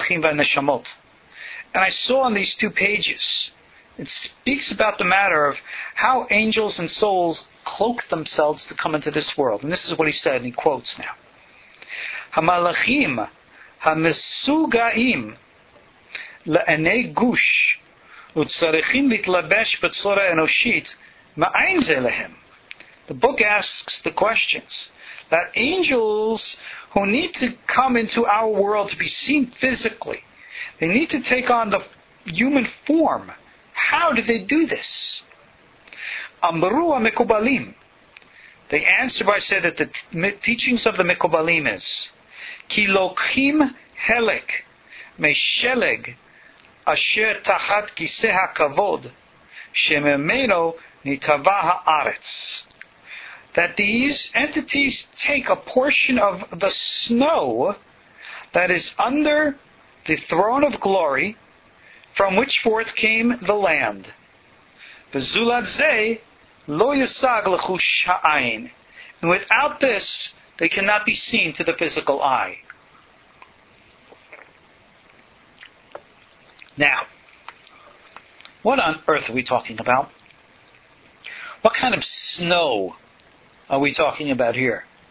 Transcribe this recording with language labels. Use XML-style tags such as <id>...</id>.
<en>And I saw on these two pages, it speaks about the matter of how angels and souls cloak themselves to come into this world. And this is what he said, and he quotes now.</en> <he>"Hamalachim ha-mesugaim לענאי גוש וצריכים להתלבש בצורה אנושית, מאין זה להם?"</he> <en>The book asks the questions that angels who need to come into our world to be seen physically, they need to take on the human form. How do they do this?</en> <he>אמרו המקובלים,</he> <en>they answer by saying that the teachings of the</en> <he>מקובלים is כי לוקחים חלק משלג אשר תחת כיסא הכבוד שממנו נתהווה הארץ.</he> <en>That these entities take a portion of the snow that is under the throne of glory from which forth came the land.</en> <he>וזולת זה לא יושג לחוש העין.</he> <en>And without this, they cannot be seen to the physical eye. Now, what on earth are we talking about? What kind of snow are we talking about here?</en>